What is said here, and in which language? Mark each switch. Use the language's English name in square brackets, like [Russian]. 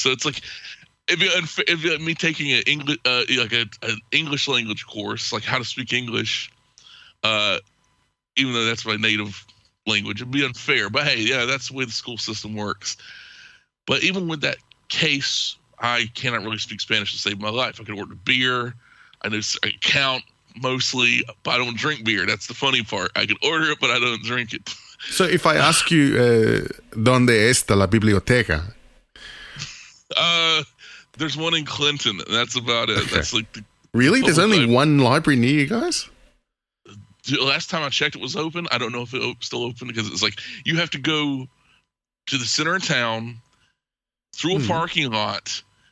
[English] So it's like, if me taking an English, an English language course, like how to speak English, even though that's my native language, it'd be unfair. But hey, yeah, that's the way the school system works. But even with that case, I cannot really speak Spanish to save my life. I can order beer. I know I count mostly, but I don't drink beer. That's the funny part. I can order it, but I don't drink it. So if I ask you, [Spanish] ¿dónde está la biblioteca? [English] There's one in Clinton, and that's about it. Okay. That's like really? There's only one library near you guys? Last time I checked, it was open. I don't know if it's still open, because it's like you have to go to the center of town through a parking lot.